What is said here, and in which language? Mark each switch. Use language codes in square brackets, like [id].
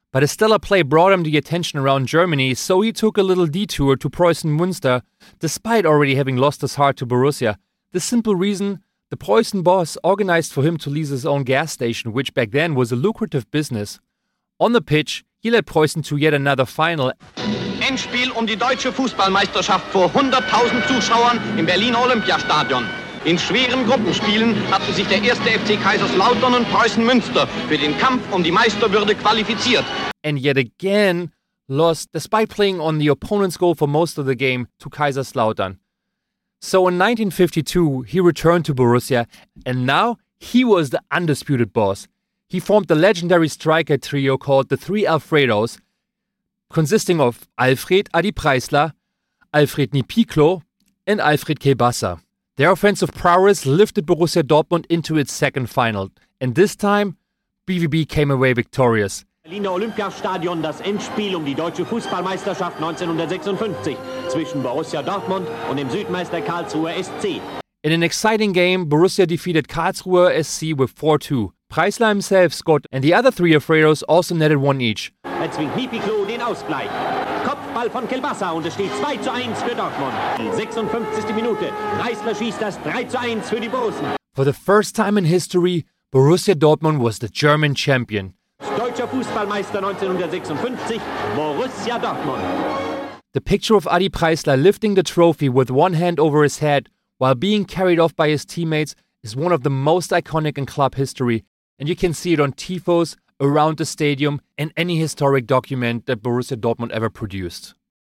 [en] But a stellar play brought him the attention around Germany, so he took a little detour to Preußen Münster, despite already having lost his heart to Borussia. The simple reason: the Preußen boss organized for him to lease his own gas station, which back then was a lucrative business. On the pitch, he led Preußen to yet another final. [de] Endspiel um die deutsche Fußballmeisterschaft vor 100.000 Zuschauern im Berlin Olympiastadion. In schweren Gruppenspielen hatten sich der erste FC Kaiserslautern und Preußen Münster für den Kampf um die Meisterwürde qualifiziert. [en] And yet again lost, despite playing on the opponent's goal for most of the game, to Kaiserslautern. So in 1952, he returned to Borussia, and now he was the undisputed boss. He formed the legendary striker trio called the Three Alfredos, consisting of Alfred Adi Preisler, Alfred Niepiklo, and Alfred Kielbasa. Their offensive prowess lifted Borussia Dortmund into its second final. And this time, BVB came away victorious. [de] Berliner Olympiastadion, das Endspiel um die deutsche Fußballmeisterschaft 1956 zwischen Borussia Dortmund und dem Südmeister Karlsruher SC. [en] In an exciting game, Borussia defeated Karlsruher SC with 4-2. Preisler himself scored, and the other three Alfredos also netted one each. [de] Er zwingt Niepiklo den Ausgleich. Kopfball von Kielbasa und es steht 2-1 für Dortmund. 56. Minute. Preisler schießt das 3-1 für die Borussen. [en] For the first time in history, Borussia Dortmund was the German champion. [de] Deutscher Fußballmeister 1956, Borussia Dortmund. [en] The picture of Adi Preisler lifting the trophy with one hand over his head while being carried off by his teammates is one of the most iconic in club history, and you can see it on tifos around the stadium and any historic document that Borussia Dortmund ever produced.